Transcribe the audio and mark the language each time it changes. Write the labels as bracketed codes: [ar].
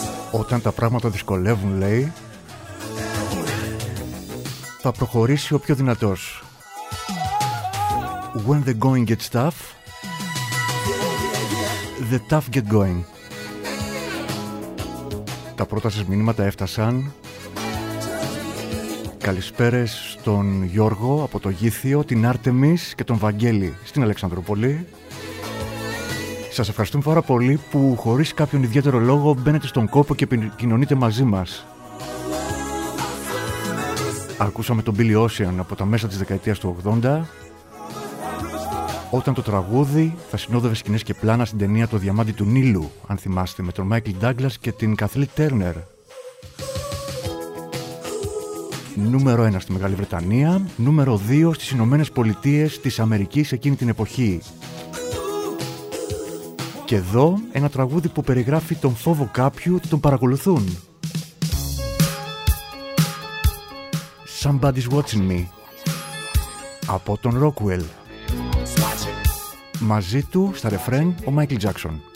[el] Όταν τα πράγματα δυσκολεύουν, λέει, θα προχωρήσει ο πιο δυνατός. [en] When the going gets tough, the tough get going. [el] Τα πρώτα σας μηνύματα έφτασαν. Καλησπέρες στον Γιώργο από το Γήθιο, την Άρτεμις και τον Βαγγέλη στην Αλεξανδρούπολη. Σας ευχαριστούμε πάρα πολύ που χωρίς κάποιον ιδιαίτερο λόγο μπαίνετε στον κόπο και επικοινωνείτε μαζί μας. Ακούσαμε τον Billy Ocean από τα μέσα της δεκαετίας του 80, όταν το τραγούδι θα συνόδευε σκηνές και πλάνα στην ταινία «Το Διαμάντι του Νείλου», αν θυμάστε, με τον Michael Douglas και την Kathleen Turner. Νούμερο 1 στη Μεγάλη Βρετανία, νούμερο 2 στις Ηνωμένες Πολιτείες της Αμερικής εκείνη την εποχή. Και εδώ ένα τραγούδι που περιγράφει τον φόβο κάποιου ότι τον παρακολουθούν. Somebody's Watching Me από τον Rockwell. Μαζί του στα ρεφρέν ο Michael Jackson.